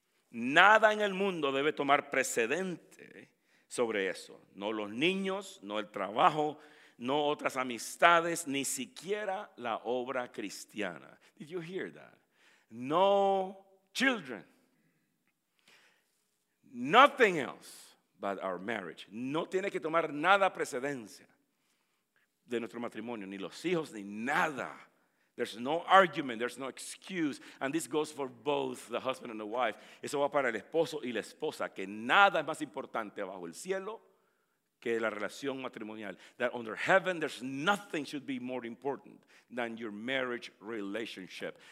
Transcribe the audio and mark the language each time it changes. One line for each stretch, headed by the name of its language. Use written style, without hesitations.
Spanish: Nada en el mundo debe tomar precedente sobre eso. No los niños, no el trabajo, no otras amistades, ni siquiera la obra cristiana.
English: Did you hear that? No children. Nothing else but our marriage.
Spanish: No tiene que tomar nada precedencia de nuestro matrimonio, ni los hijos, ni nada.
English: There's no argument, there's no excuse. And this goes for both the husband and the wife.
Spanish: Eso va para el esposo y la esposa, que nada es más importante bajo el cielo que la relación matrimonial.
English: That under heaven, there's nothing should be more important than your marriage relationship.